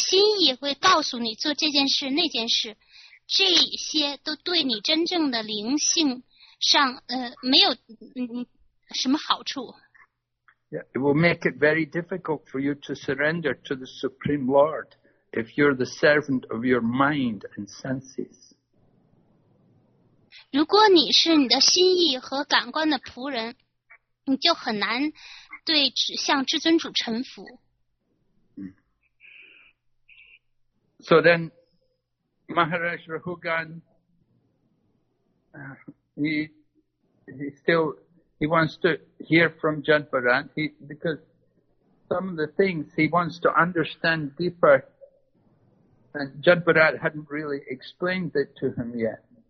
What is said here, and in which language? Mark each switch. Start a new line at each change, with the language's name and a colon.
Chinese: 如果你要是聆听自己的心意的话，你的心意就会完全控制住你，你的心意会告诉你做这件事那件事。这些都对你真正的灵性上没有什么好处。
English: Yeah, it will make it very difficult for you to surrender to the Supreme Lord if you're the servant of your mind and senses.
Chinese: 如果你是你的心意和感官的仆人，你就很难向至尊主臣服。
English: So then, Maharaj Rahugan, he still wants to hear from Jadbarat, because some of the things he wants to understand deeper, and Jadbarat hadn't really explained it to him yet.